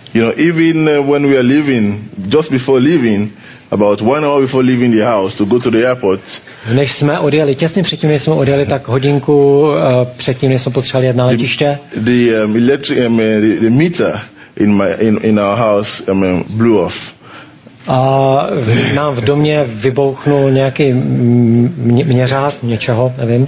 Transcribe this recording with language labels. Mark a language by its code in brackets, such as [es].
[en] You know, even when we are leaving, just before leaving, about 1 hour before leaving the house to go to the airport. [cs] Než jsme odjeli, těsně předtím, než jsme odjeli, tak hodinku předtím, než jsme potřebovali jet na letiště. [en] The meter in our house blew off. [cs] A nám v domě vybouchnul nějaký měřák něčeho, nevím.